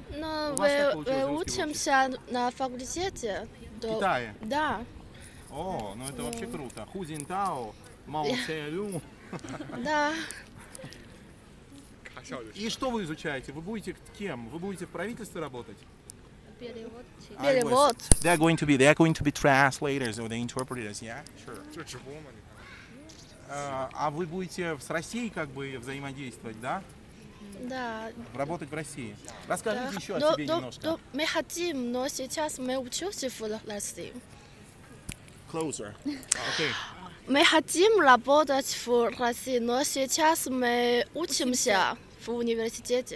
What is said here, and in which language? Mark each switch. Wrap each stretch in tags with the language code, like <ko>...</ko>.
<ru>Но вы учимся на факультете. В Китае? Да. О, ну это вообще круто. Ху зин тао, мао цэ лю. Да. И что вы изучаете? Вы будете кем? Вы будете в правительстве работать? Перевод.</ru> <en>They're going to be translators or the interpreters, yeah? Sure.</en> <ru>А вы будете с Россией как бы взаимодействовать, да? Да. Работать в России. Расскажите еще о себе немножко. Мы хотим, но сейчас мы учимся в России.</ru> <en>Closer. Okay.</en> <ru>Мы хотим работать в России, но сейчас мы учимся в университете.</ru>